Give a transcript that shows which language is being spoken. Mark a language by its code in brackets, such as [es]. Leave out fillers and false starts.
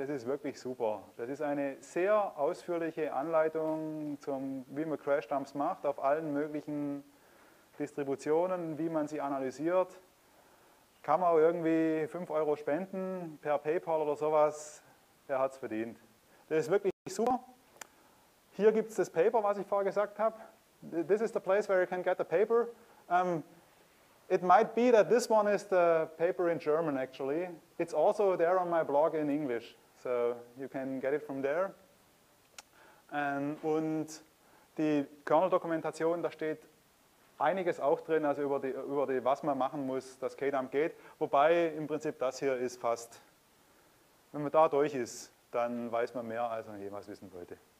[de] Das ist wirklich super. Das ist eine sehr ausführliche Anleitung, wie man Crash-Dumps macht, auf allen möglichen Distributionen, wie man sie analysiert. Kann man auch irgendwie 5 Euro spenden per PayPal oder sowas, er hat es verdient. Das ist wirklich super. Hier gibt es das Paper, was ich vorher gesagt habe. [en] This is the place where you can get the paper. It might be that this one is the paper in German actually. It's also there on my blog in English. So you can get it from there. [de] Und die Kernel-Dokumentation, da steht einiges auch drin, also über die, was man machen muss, dass KDAM geht. Wobei im Prinzip das hier ist fast, wenn man da durch ist, dann weiß man mehr, als man jemals wissen wollte.